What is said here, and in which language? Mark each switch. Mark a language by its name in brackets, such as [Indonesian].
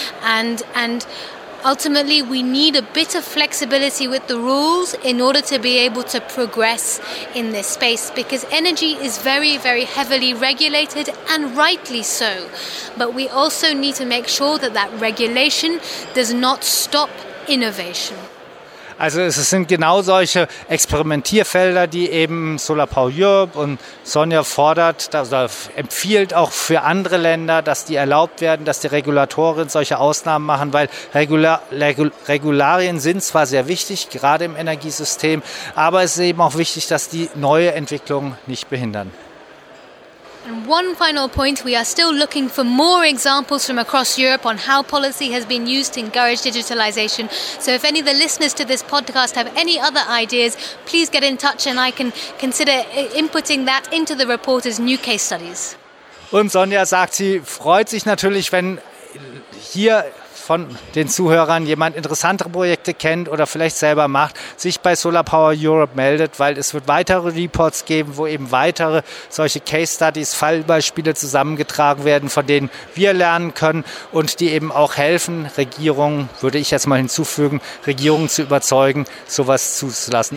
[English] And ultimately, we need a bit of flexibility with the rules in order to be able to progress in this space, because energy is very, very heavily regulated, and rightly so. But we also need to make sure that that regulation does not stop innovation. [German] Also es sind genau solche Experimentierfelder, die eben Solar Power Europe und Sonja fordert, also empfiehlt auch für andere Länder, dass die erlaubt werden, dass die Regulatoren solche Ausnahmen machen, weil Regularien sind zwar sehr wichtig, gerade im Energiesystem, aber es ist eben auch wichtig, dass die neue Entwicklung nicht behindern. [English] And one final point, we are still looking for more examples from across Europe on how policy has been used to encourage digitalization. So if any of the listeners to this podcast have any other ideas, please get in touch and I can consider inputting that into the report as new case studies. [German] Und Sonja sagt, sie freut sich natürlich, wenn hier von den Zuhörern jemand interessantere Projekte kennt oder vielleicht selber macht, sich bei Solar Power Europe meldet, weil es wird weitere Reports geben, wo eben weitere solche Case Studies, Fallbeispiele zusammengetragen werden, von denen wir lernen können und die eben auch helfen, Regierungen, würde ich jetzt mal hinzufügen, Regierungen zu überzeugen, sowas zuzulassen.